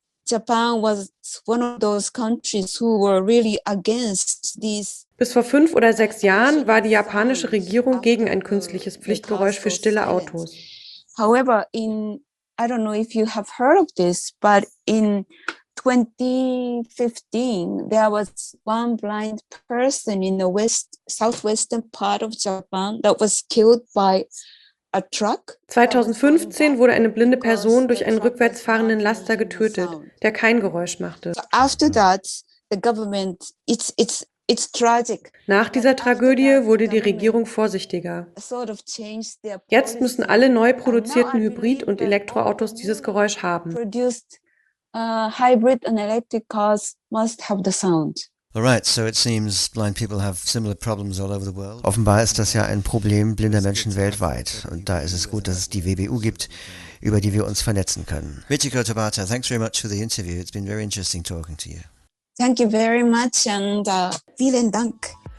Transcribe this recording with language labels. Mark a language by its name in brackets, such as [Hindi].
[German] Bis vor 5 oder 6 Jahren war die japanische Regierung gegen ein künstliches Pflichtgeräusch für stille Autos. [English] However, in I don't know if you have heard of this, but in 2015 there was one blind person in the southwestern part of Japan that was killed by a truck. [German] 2015 wurde eine blinde Person durch einen rückwärts fahrenden Laster getötet, der kein Geräusch machte. [English] So after that, the government it's tragic. [German] Nach dieser Tragödie wurde die Regierung vorsichtiger. Jetzt müssen alle neu produzierten Hybrid- und Elektroautos dieses Geräusch haben. [English] Hybrid and electric cars must have the sound. All right, so it seems blind people have similar problems all over the world. [German] Offenbar ist das ja ein Problem blinder Menschen weltweit. Und da ist es gut, dass es die WBU gibt, über die wir uns vernetzen können. [English] Michiko Tabata, thanks very much for the interview. It's been very interesting talking to you. Thank you very much and [German] vielen Dank.